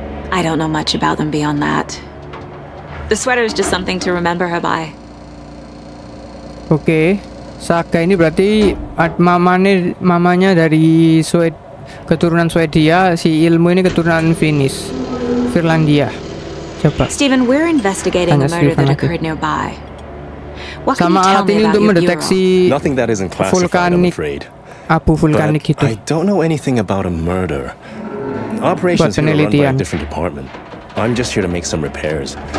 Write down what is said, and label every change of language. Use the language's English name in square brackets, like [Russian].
[English] I don't know much about them beyond that. The sweater is just something to remember her by. Okay. [Indonesian] Saga ini berarti mamanya dari keturunan Swedia, si ilmu ini keturunan Finnish. Finlandia. Coba. [English] Steven, we're investigating a murder that occurred nearby. What [Indonesian] sama [English] can you tell me about your bureau? Nothing that isn't classified, I'm afraid. [Indonesian] Abu vulkanik itu. [English] I don't know anything about a murder. Operations here are run by a different department. I'm just here to make some repairs.